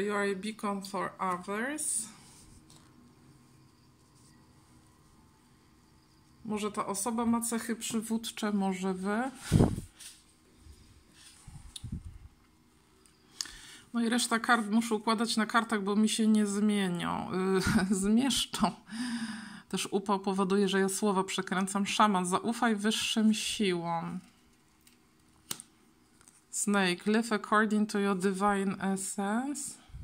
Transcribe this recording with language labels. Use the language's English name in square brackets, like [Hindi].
[English] You are a beacon for others. [Polish] Może ta osoba ma cechy przywódcze, może wy. No i reszta kart muszę układać na kartach, bo mi się nie zmienią. Zmieszczą. Też upał powoduje, że ja słowa przekręcam. Szaman, zaufaj wyższym siłom. [English] Snake, live according to your divine essence.